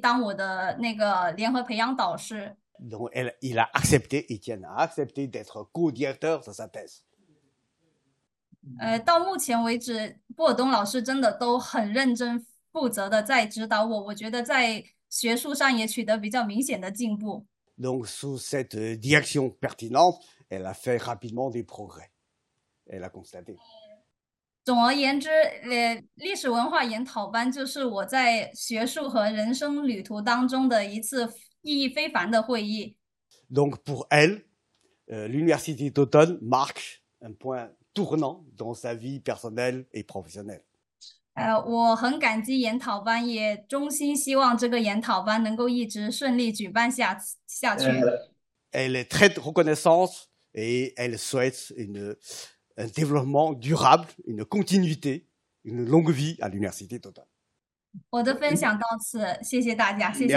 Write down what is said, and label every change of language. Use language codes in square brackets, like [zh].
[zh] 他的研究方向跟我的比较接近，然后他在很多方面也能够给我切实有效的指导。在得知我很希望来法国学习之后，他就说愿意当我的那个联合培养导师。 [fr] Donc il a accepté Etienne, a accepté d'être co-directeur de sa thèse. [zh] 到目前为止，布尔东老师真的都很认真负责的在指导我，我觉得在学术上也取得比较明显的进步。 [fr] Donc sous cette direction pertinente, elle a fait rapidement des progrès. Elle a constaté. [zh] 总而言之，历史文化研讨班就是我在学术和人生旅途当中的一次意义非凡的会议。 [fr] Donc pour elle, l'université d'automne marque un point tournant dans sa vie personnelle et professionnelle. [zh] 我很感激研讨班，也衷心希望这个研讨班能够一直顺利举办下去。 [fr] Elle est très reconnaissante et elle souhaite un développement durable, une continuité, une longue vie à l'université d'Automne. [zh] 我的分享到此，谢谢大家，谢谢。